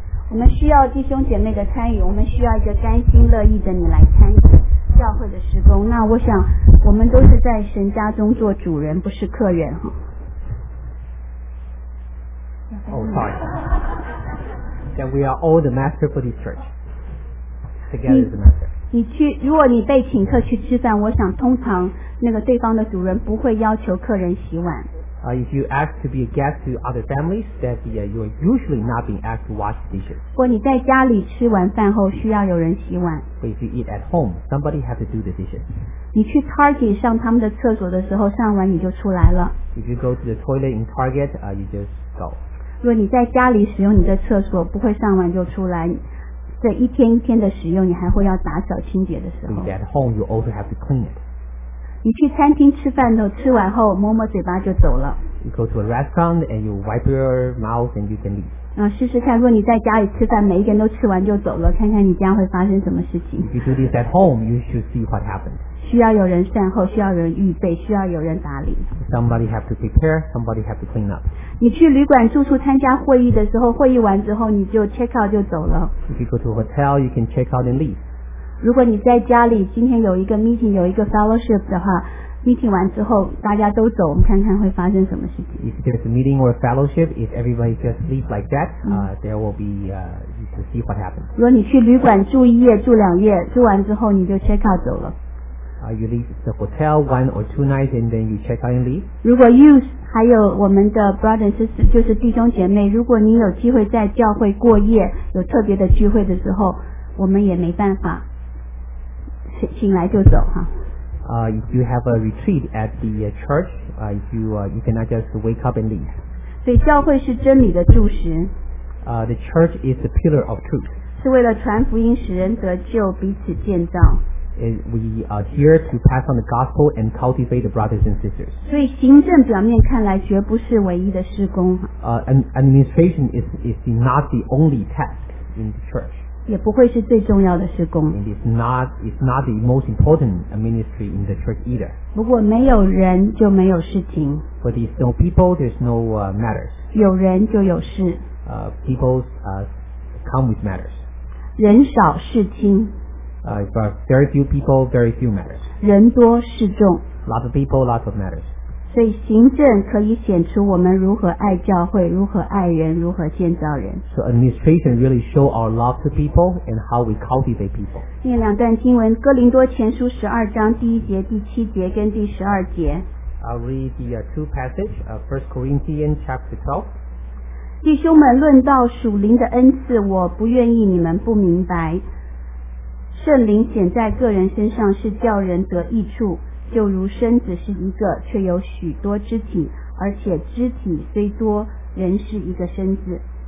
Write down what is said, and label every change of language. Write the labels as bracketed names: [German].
[Chinese] 我们需要弟兄姐妹的参与，我们需要一个甘心乐意的你来参与教会的施工。那我想我们都是在神家中做主人，不是客人。 [English] Oh, sorry. Then we are all the master for this church. Together is the master. [Chinese] 如果你被请客去吃饭，我想通常那个对方的主人不会要求客人洗碗。 [English] If you ask to be a guest to other families, that you are usually not being asked to wash dishes. [Chinese] 如果你在家里吃完饭后需要有人洗碗。 [English] But if you eat at home, somebody has to do the dishes. [Chinese] 你去 Target 上他们的厕所的时候，上完你就出来了。 [English] If you go to the toilet in Target, you just go. [Chinese] 如果你在家里使用你的厕所，不会上完就出来，这一天一天的使用，你还会要打扫清洁的时候。 [English] If you're at home, you also have to clean it. [Chinese] 你去餐厅吃饭后，吃完后摸摸嘴巴就走了。 [English] You go to a restaurant and you wipe your mouth and you can leave. [Chinese] 试试看，如果你在家里吃饭，每一个人都吃完就走了，看看你家会发生什么事情。 [English] If you do this at home, you should see what happens. [Chinese] 需要有人善后，需要有人预备，需要有人打理。 [English] Somebody have to prepare, somebody have to clean up. [Chinese] 你去旅馆住宿参加会议的时候，会议完之后你就 check out 就走了。 [English] If you go to a hotel, you can check out and leave. [Chinese] 如果你在家里今天有一个 meeting 有一个 fellowship 的话， meeting 完之后大家都走，我们看看会发生什么事情。 [English] If there's a meeting or a fellowship, if everybody just leaves like that, there will be you can see what happens. [Chinese] 如果你去旅馆住一夜住两夜，住完之后你就 check out 走了。 [English] You leave the hotel one or two nights and then you check out and leave. [Chinese] 如果 youth 还有我们的 [English] brother and sister [Chinese] 就是弟兄姐妹，如果你有机会在教会过夜，有特别的聚会的时候，我们也没办法，醒来就走哈。 [English] If you have a retreat at the church, you cannot just wake up and leave. [Chinese] 所以教会是真理的柱石。 [English] The church is the pillar of truth. [Chinese] 是为了传福音使人得救彼此建造。 [English] And we adhere to pass on the gospel and cultivate the brothers and sisters. [Chinese] 所以行政表面看来绝不是唯一的事工。 [English] Administration is not the only task in the church. [Chinese] 也不会是最重要的事工。 [English] And it's not the most important ministry in the church either. [Chinese] 如果没有人就没有事情。 [English] But if there's no people, there's no matters. [Chinese] 有人就有事。 [English] People come with matters. [Chinese] 人少事轻。 [English] If there are very few people, very few matters. [Chinese] 人多事重。 [English] Lots of people, lots of matters. [Chinese] 所以行政可以显出我们如何爱教会，如何爱人，如何建造人。 [English] So administration really show our love to people and how we cultivate people. [Chinese] 念两段经文，哥林多前书十二章第一节、第七节跟第十二节。 [English] I'll read the two passages, First Corinthians chapter 12. [Chinese] 弟兄们，论到属灵的恩赐，我不愿意你们不明白。圣灵显在个人身上是叫人得益处，就如身子是一个，却有许多肢体，而且肢体虽多，仍是一个身子。